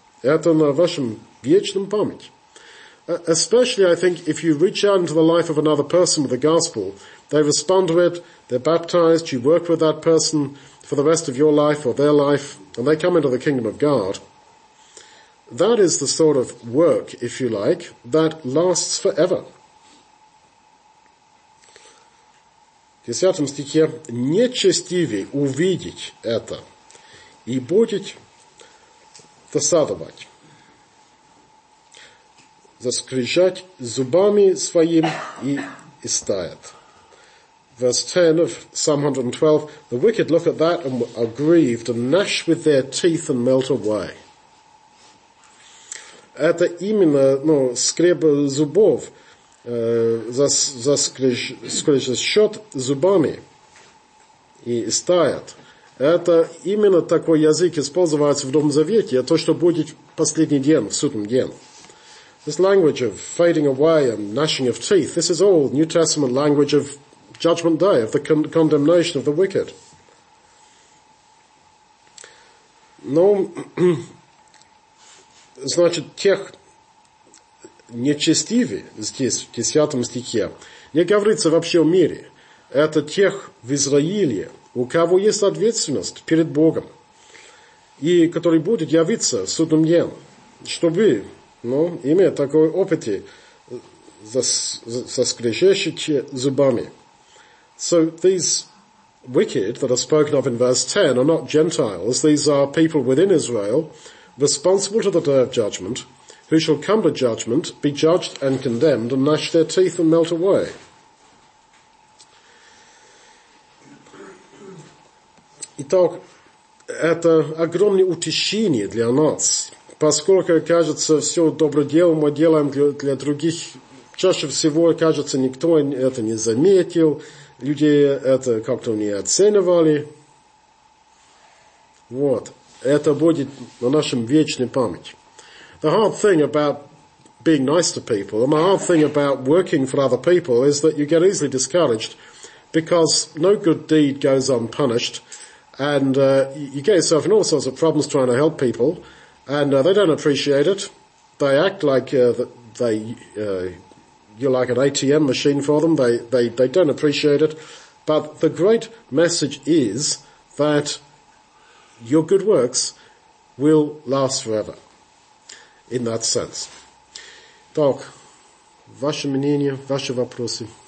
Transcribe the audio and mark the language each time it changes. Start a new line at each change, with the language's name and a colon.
Russian: Это на вашем вечном памяти.
English: Especially, I think, if you reach out into the life of another person with the gospel, they respond to it, they're baptized, you work with that person for the rest of your life or their life, and they come into the kingdom of God. That is the sort of work, if you like, that lasts forever.
Russian: В 10 стихе нечестивее увидеть это и будет досадовать, заскрежать зубами своим и истает.
English: Verse 10 of Psalm 112, the wicked look at that and are grieved and gnash with their teeth and melt away.
Russian: Это именно, ну, скреб зубов, скрежещет зубами и истает. Это именно такой язык используется в Новом Завете, то, что будет в последний день, в судный день.
English: This language of fading away and gnashing of teeth, this is all New Testament language of Judgment Day, of the condemnation of the wicked.
Russian: Но... Значит, тех нечестивей здесь, в 10 стихе, не говорится вообще о мире. Это тех в Израиле, у кого есть ответственность перед Богом, и который будет явиться в судный день, чтобы, ну, имея такой опыт, заскрежещущие зубами.
English: So these wicked that are spoken of in verse 10 are not Gentiles, these are people within Israel, responsible to the day of judgment, who shall come to judgment, be judged and condemned, and gnash their teeth and melt away.
Russian: Итак, это огромное утешение для нас, поскольку, кажется, все доброе дело мы делаем для других, чаще всего, кажется, никто это не заметил, люди это как-то не оценивали. Вот. Это будет на нашем вечной памяти.
English: The hard thing about being nice to people, and the hard thing about working for other people, is that you get easily discouraged because no good deed goes unpunished, and you get yourself in all sorts of problems trying to help people, and they don't appreciate it. They act like you're like an ATM machine for them. They don't appreciate it, But the great message is that your good works will last forever in that sense.
Russian: Так, ваше мнение, ваши вопросы.